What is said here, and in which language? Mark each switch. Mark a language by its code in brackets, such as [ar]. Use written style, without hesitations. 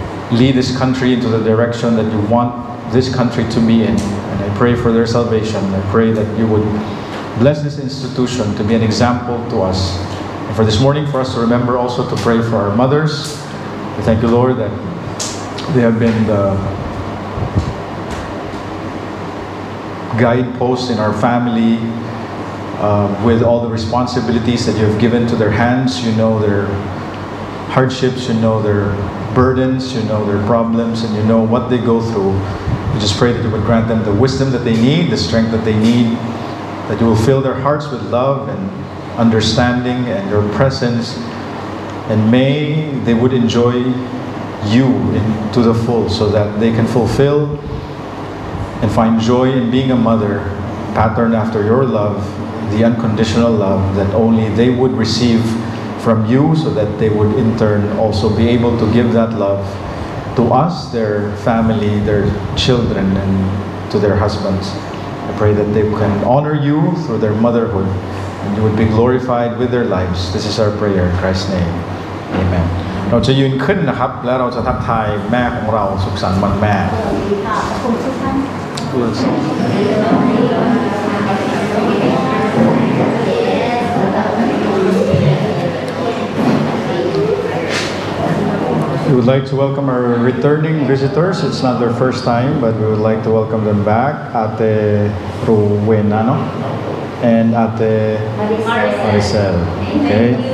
[en] lead this country into the direction that you want this country to be in and I pray for their salvation I pray that you would bless this institution to be an example to usFor this morning, for us to remember also to pray for our mothers. We thank you, Lord, that they have been the guideposts in our family with all the responsibilities that you have given to their hands. You know their hardships, you know their burdens, you know their problems, and you know what they go through. We just pray that you would grant them the wisdom that they need, the strength that they need, that you will fill their hearts with love andunderstanding and your presence and may they would enjoy you to the full so that they can fulfill and find joy in being a mother patterned after your love the unconditional love that only they would receive from you so that they would in turn also be able to give that love to us their family their children and to their husbands I pray that they can honor you through their motherhoodAnd you would be glorified with their lives. This is our prayer in Christ's name. Amen. [th] เราจะยืนขึ้นนะครับแล้วเราจะทักทายแม่ของเราสุขสันต์วันแม่ [en] We would like to welcome our returning visitors. It's not their first time, but we would like to welcome them back. Ate Rowena, no? And Ate Maricel. Okay.